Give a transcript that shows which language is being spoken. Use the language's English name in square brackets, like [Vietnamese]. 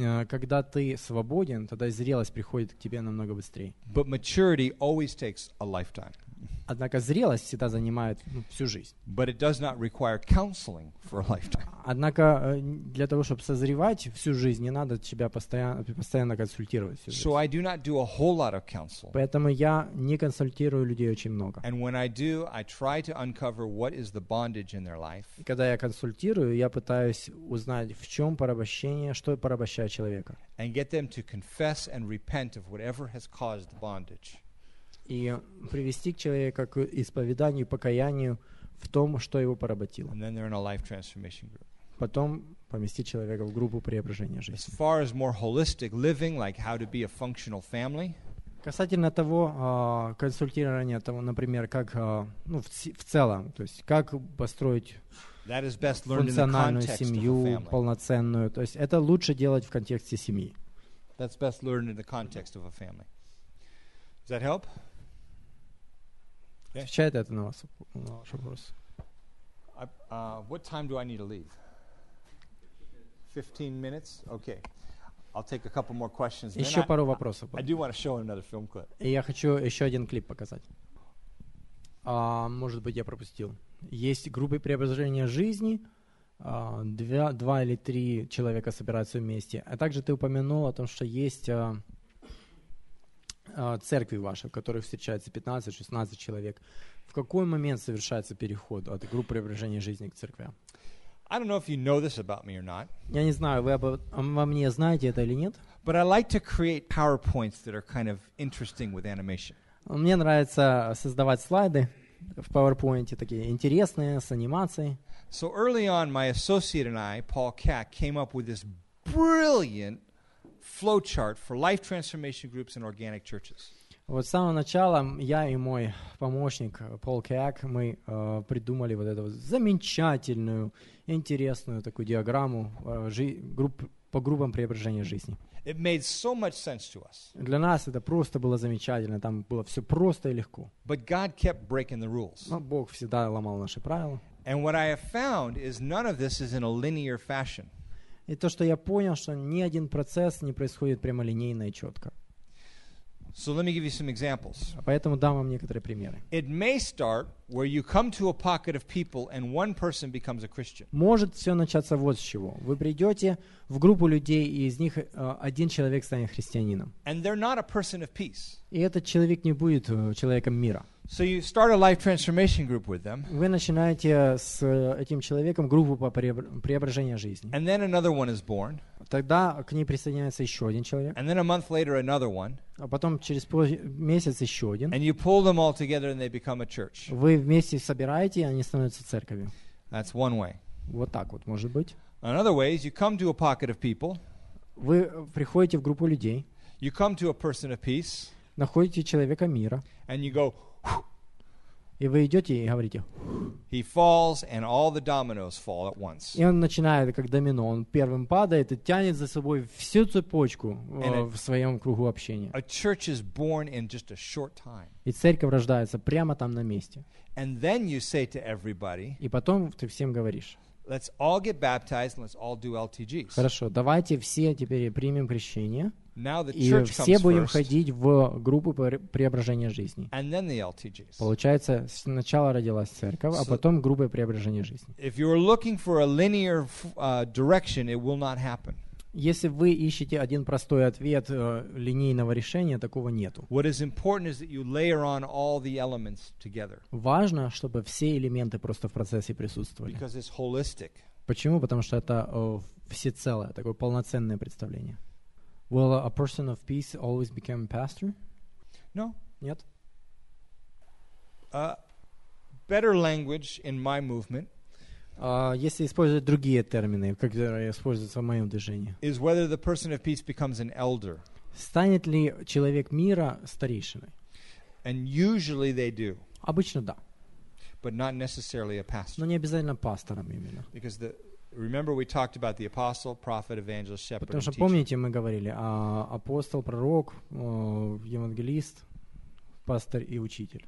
[Russian] Когда ты свободен, тогда зрелость приходит к тебе намного быстрее. [English] But maturity always takes a lifetime. [Russian] Однако зрелость всегда занимает всю жизнь. [English] But it does not require counseling for a lifetime. [Russian] Однако для того, чтобы созревать всю жизнь, не надо тебя постоянно консультировать всю жизнь. [English] So I do not do a whole lot of counseling. [Russian] Поэтому я не консультирую людей очень много. [English] And when I do, I try to uncover what is the bondage in their life. [Russian] И когда я консультирую, я пытаюсь узнать, в чем порабощение, что порабощает человека. [English] And get them to confess and repent of whatever has caused the bondage. [Russian] И привести человека к исповеданию, покаянию в том, что его поработило. [English] And then they're in a life transformation group. [Russian] Потом поместить человека в группу преображения жизни. [English] As far as more holistic living, like how to be a functional family. [Russian] Касательно того, консультирования того, например, как в целом, то есть как построить функциональную семью, полноценную. То есть это лучше делать в контексте семьи. [English] That's best learned in the context of a family. Does that help? [Russian] Отвечает это на ваш вопрос. [English] What time do I need to leave? 15 minutes? Okay. I'll take a couple more questions. [Russian] Еще пару вопросов. [English] I do want to show another film clip. [Russian] И я хочу еще один клип показать. Может быть, я пропустил. Есть группы преображения жизни. Два или три человека собираются вместе. А также ты упомянул о том, что есть церкви ваши, в которых встречается 15-16 человек. В какой момент совершается переход от группы преображения жизни к церкви? [English] I don't know if you know this about me or not. [Russian] Я не знаю, вы обо мне знаете это или нет. [English] But I like to create PowerPoints that are kind of interesting with animation. [Russian] Мне нравится создавать слайды в PowerPoint, такие интересные, с анимацией. [English] So early on, my associate and I, Paul Kack, came up with this brilliant flowchart for life transformation groups and organic churches. [Russian] Вот с самого начала я и мой помощник Пол Кэк, мы придумали вот эту замечательную, интересную такую диаграмму по группам преображения жизни. [English] It made so much sense to us. [Russian] Для нас это просто было замечательно, там было все просто и легко. [English] But God kept breaking the rules. [Russian] Но Бог всегда ломал наши правила. [English] And what I have found is none of this is in a linear fashion. [Russian] И то, что я понял, что ни один процесс не происходит прямолинейно и четко. [English] So let me give you some examples. [Russian] Поэтому дам вам некоторые примеры. [English] It may start where you come to a pocket of people and one person becomes a Christian. [Russian] Может все начаться вот с чего. Вы придете в группу людей, и из них один человек станет христианином. [English] And they're not a person of peace. [Russian] И этот человек не будет человеком мира. [English] So you start a life transformation group with them. [Russian] Вы начинаете с этим человеком группу по преображению жизни. [English] And then another one is born. [Russian] Тогда к ней присоединяется еще один человек. [English] And then a month later another one. [Russian] А потом через месяц еще один. [English] And you pull them all together and they become a church. [Russian] Вы вместе собираете, и они становятся церковью. [English] That's one way. [Russian] Вот так вот может быть. [English] Another way is you come to a pocket of people. [Russian] Вы приходите в группу людей. [English] You come to a person of peace. [Russian] Находите человека мира. [English] And you go. [Russian] И вы идете и говорите. [English] He falls and all the dominoes fall at once. [Russian] И он начинает как домино. Он первым падает и тянет за собой всю цепочку в своем кругу общения. [English] A church is born in just a short time. [Russian] И церковь рождается прямо там на месте. [English] And then you say to everybody. [Russian] И потом ты всем говоришь. [English] Let's all get baptized and let's all do LTGs. [Russian] Хорошо, давайте все теперь примем крещение. [English] Now the [Russian] и все будем [English] first, [Russian] ходить в группу преображения жизни. [English] And then the LTGs. [Russian] Получается, сначала родилась церковь, so, а потом группа преображения жизни. [English] If you're looking for a linear direction, it will not happen. [Russian] Если вы ищете один простой ответ линейного решения, такого нету. [English] What is important is that you layer on all the elements together. [Russian] Важно, чтобы все элементы просто в процессе присутствовали. [English] Because it's holistic. [Russian] Почему? Потому что это всецелое, такое полноценное представление. [English] Will a person of peace always become a pastor? No. [Russian] Нет. [English] Better language in my movement. [Russian] Если использовать другие термины, которые используются в моем движении, [English] is whether the person of peace becomes an elder. [Russian] Станет ли человек мира старейшиной? [English] And usually they do. [Russian] Обычно да. [English] But not necessarily a pastor. [Russian] Но не обязательно пастором именно. [English] Because the, remember we talked about the apostle, prophet, evangelist, shepherd, [Russian] потому что [English] and teacher. [Russian] Помните, мы говорили апостол, пророк, евангелист, пастор и учитель.